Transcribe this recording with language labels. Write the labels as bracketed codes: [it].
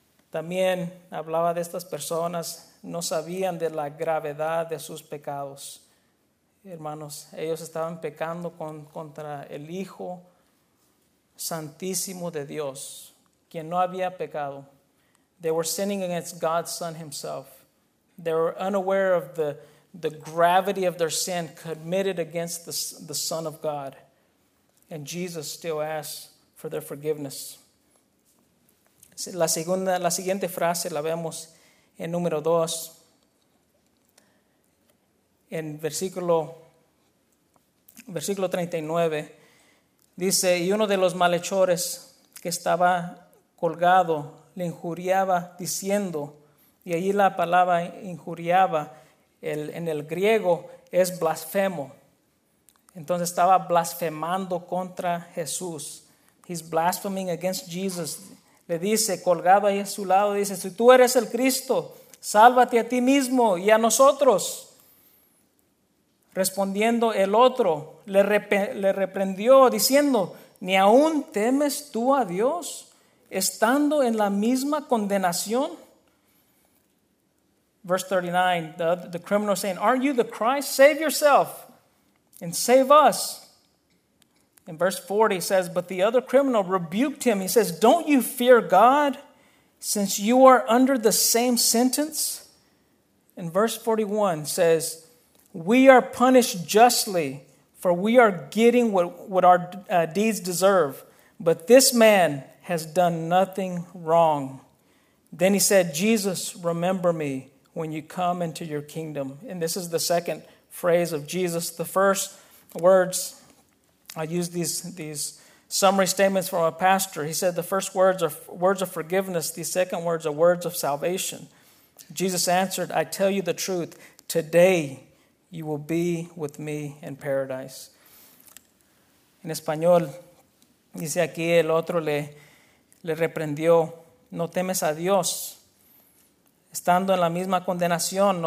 [es] También hablaba de estas personas, no sabían de la gravedad de sus pecados. Hermanos, ellos estaban pecando contra el Hijo Santísimo de Dios, quien no había pecado. [en] They were sinning against God's Son Himself. They were unaware of the gravity of their sin committed against the Son of God. And Jesus still asks for their forgiveness. [es] La siguiente frase la vemos en número 2, en versículo 39. Dice: y uno de los malhechores que estaba colgado le injuriaba diciendo, y allí la palabra injuriaba en el griego es blasfemo. Entonces estaba blasfemando contra Jesús. He's blaspheming against Jesus. Le dice, colgado ahí a su lado, dice: si tú eres el Cristo, sálvate a ti mismo y a nosotros. Respondiendo el otro, le reprendió diciendo: ¿ni aún temes tú a Dios, estando en la misma condenación? [en] Verse 39, the criminal saying, aren't you the Christ? Save yourself and save us. In verse 40 says, but the other criminal rebuked him. He says, don't you fear God, since you are under the same sentence? And verse 41 says, we are punished justly, for we are getting what our deeds deserve. But this man has done nothing wrong. Then he said, Jesus, remember me when you come into your kingdom. And this is the second phrase of Jesus. The first words, I use these summary statements from a pastor. He said the first words are words of forgiveness. The second words are words of salvation. Jesus answered, I tell you the truth. Today you will be with me in paradise. [es] En español, dice aquí, el otro le reprendió, no temes a Dios, estando en la misma condenación.